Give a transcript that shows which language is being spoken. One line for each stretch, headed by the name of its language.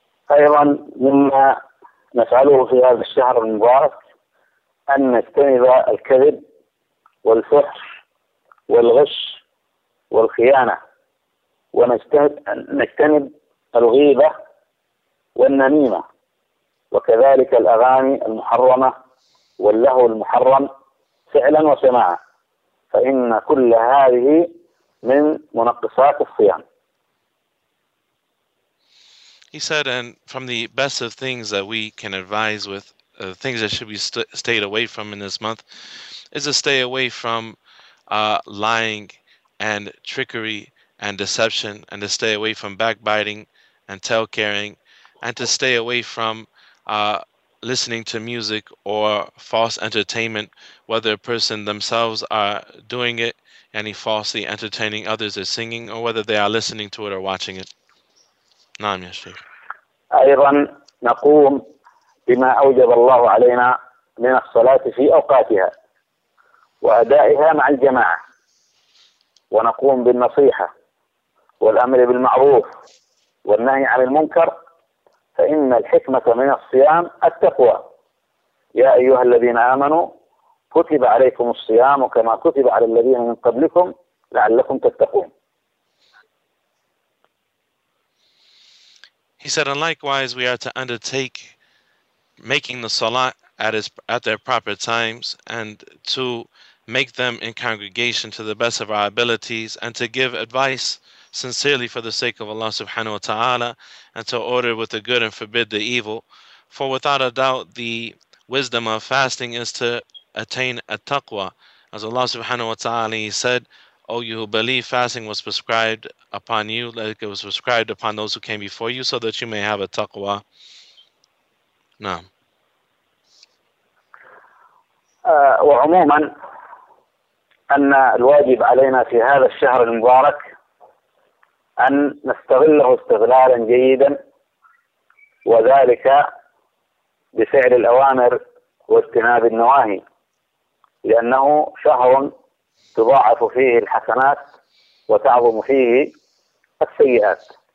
Arabic: أيضا مما نفعله في هذا الشهر المبارك أن نجتنب الكذب والفحش والغش والخيانة، ونجتنب الغيبة والنميمة، وكذلك الأغاني المحرمة واللهو المحرم فعلا وسماعا، فإن كل هذه من منقصات الصيام.
English: He said, and from the best of things that we can advise with, things that should be stayed away from in this month, is to stay away from lying and trickery and deception, and to stay away from backbiting and tale-carrying, and to stay away from listening to music or false entertainment, whether a person themselves are doing it, any falsely entertaining others or singing, or whether they are listening to it or watching it.
Arabic: نعم يا شيخ. أيضا نقوم بما أوجب الله علينا من الصلاة في أوقاتها وأدائها مع الجماعة، ونقوم بالنصيحة والأمر بالمعروف والنهي عن المنكر، فإن الحكمة من الصيام التقوى. يا أيها الذين آمنوا كتب عليكم الصيام كما كتب على الذين من قبلكم لعلكم تتقون.
English: He said, and likewise, we are to undertake making the salat at their proper times, and to make them in congregation to the best of our abilities, and to give advice sincerely for the sake of Allah subhanahu wa ta'ala, and to order with the good and forbid the evil. For without a doubt, the wisdom of fasting is to attain a taqwa. As Allah subhanahu wa ta'ala said, O you who believe, fasting was prescribed upon you like it was prescribed upon those who came before you, so that you may have a taqwa.
Arabic: No. وعموما أن الواجب علينا في هذا الشهر المبارك أن نستغله استغلالا جيدا، وذلك بفعل الأوامر واجتناب النواهي، لأنه شهر تضاعف فيه الحسنات وتعظم فيه السيئات.